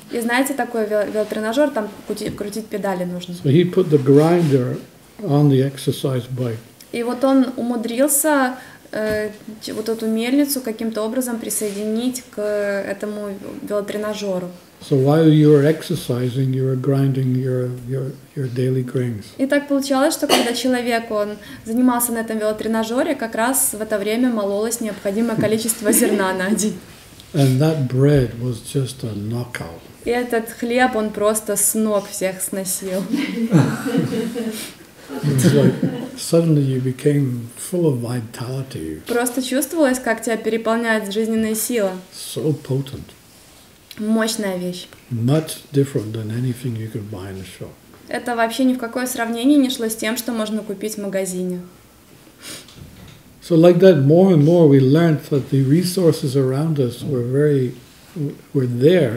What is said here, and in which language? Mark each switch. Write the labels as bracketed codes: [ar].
[ru] И знаете, такой велотренажер, там крутить педали нужно. [en] So he put the grinder on the exercise bike. [ru] И вот он умудрился вот эту мельницу каким-то образом присоединить к этому велотренажеру. [en] So while you are exercising, you are grinding your daily grains. [ru] И так получалось, что когда человек он занимался на этом велотренажере, как раз в это время мололось необходимое количество зерна на день. [en] And that bread was just a knockout. [ru] И этот хлеб он просто с ног всех сносил. [en] Suddenly you became full of vitality. [ru] Просто чувствовалось, как тебя переполняет жизненная сила. [en] So potent. [ru] Мощная вещь. [en] Much different than anything you could buy in a shop. [ru] Это вообще ни в какое сравнение не шло с тем, что можно купить в магазине. [en] So like that, more and more we learned that the resources around us were there.